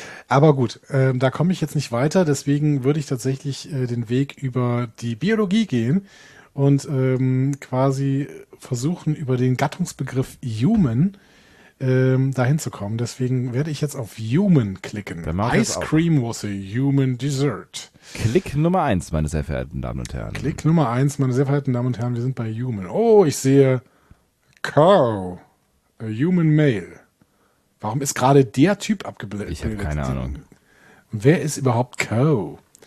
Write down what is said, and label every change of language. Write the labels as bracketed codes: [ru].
[de] Aber gut, da komme ich jetzt nicht weiter. Deswegen würde ich tatsächlich den Weg über die Biologie gehen und quasi versuchen, über den Gattungsbegriff Human dahin zu kommen. Deswegen werde ich jetzt auf Human klicken. [en] Ice Cream was a Human Dessert. [de] Klick Nummer 1, meine sehr verehrten Damen und Herren. Klick Nummer 1, meine sehr verehrten Damen und Herren, wir sind bei Human. Oh, ich sehe [en] Cow, a Human Male. [de] Warum ist gerade der Typ abgebildet? Ich habe keine Ahnung. Wer ist überhaupt Cow?